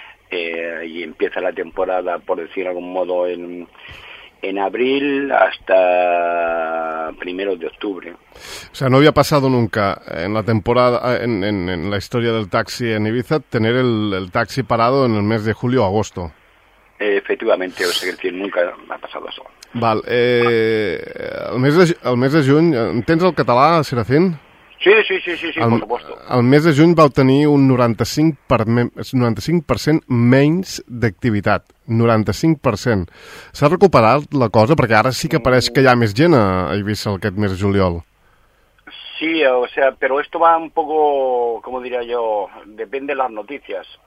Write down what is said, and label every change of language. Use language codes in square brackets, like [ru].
[es] Y empieza la temporada, por decir de algún modo, en abril hasta primeros de octubre. O sea, no había pasado nunca en la temporada, en la historia del taxi en Eivissa, tener el taxi parado en el mes de julio o agosto. Efectivamente, o sea, que nunca ha pasado eso. [ca] Val, el mes de juny, entens el català, Serafín? [es] Sí, por supuesto. [ca] El mes de juny vau tenir un 95% menys d'activitat, 95%. S'ha recuperat la cosa? Perquè ara sí que pareix que hi ha més gent a Eivissa aquest mes de juliol. [es] Sí, o sea, pero esto va un poco, como diría yo, depende de las noticias.